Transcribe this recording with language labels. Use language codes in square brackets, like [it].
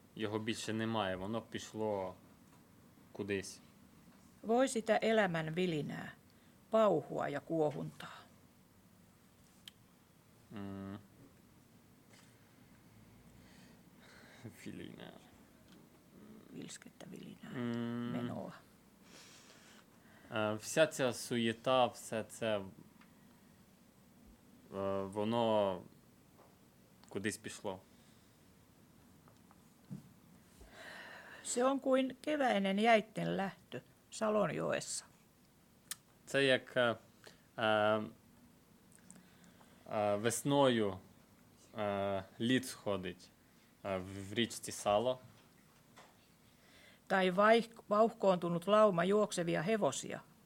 [uk] його більше немає, воно пішло кудись. [fi] Voi sitä elämän vilinää, pauhua ja kuohuntaa. Vilinää. Вільськета віліна, минула. [uk] Вся ця суєта, все це, воно кудись пішло. [fi] Se on kuin keväinen jäitten lähtö Salonjoessa. [uk] Це як весною лід сходить в річці Сало. [fi] Tai vauhkoontunut lauma juoksevia hevosia.